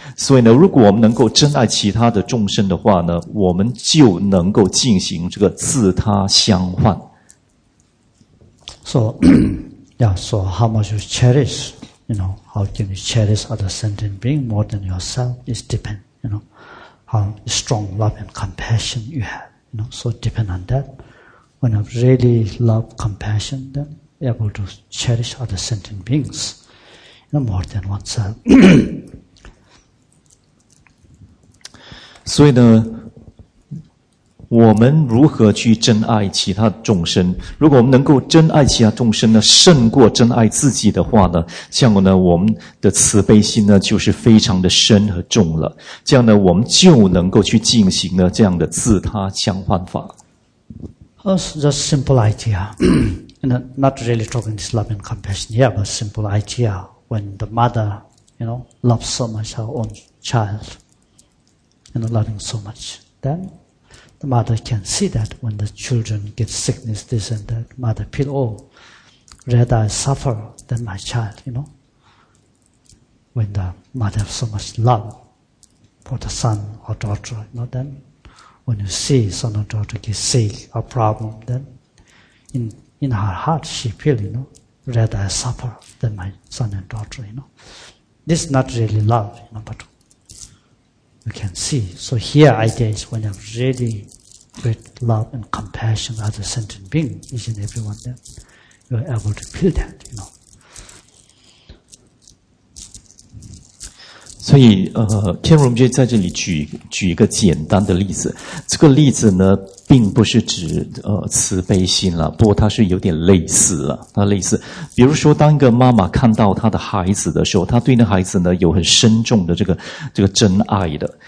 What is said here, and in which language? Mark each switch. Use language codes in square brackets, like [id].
[zh] 所以呢，如果我们能够珍爱其他的众生的话呢，我们就能够进行这个自他相换。 [en] So, how much you cherish, you know, how can you cherish other sentient being more than yourself is depend, you know, how strong love and compassion you have, you know, so depend on that. when I really love compassion, then able to cherish other sentient beings, you know, more than oneself. [zh] 所以呢，我们如何去珍爱其他众生？如果我们能够珍爱其他众生呢，胜过珍爱自己的话呢，这样呢，我们的慈悲心呢，就是非常的深和重了。这样呢，我们就能够去进行呢这样的自他相换法。 [en] Just a simple idea, not really talking this love and compassion. Yeah, but simple idea. When the mother, you know, loves so much her own child, you know, loving so much, then. The mother can see that when the children get sickness, this and that, mother feel, oh, rather I suffer than my child, you know. When the mother has so much love for the son or daughter, you know, then when you see son or daughter get sick or problem, then in her heart she feel, you know, rather I suffer than my son and daughter, you know. This is not really love, you know, but you can see. So here idea is when I'm really... With love and compassion, as a sentient being, each and every one, then you are able to feel that, you know. [zh] 所以，天荣觉在这里举一个简单的例子。这个例子呢，并不是指慈悲心了，不过它是有点类似了。它类似，比如说，当一个妈妈看到她的孩子的时候，她对那孩子呢有很深重的这个真爱的。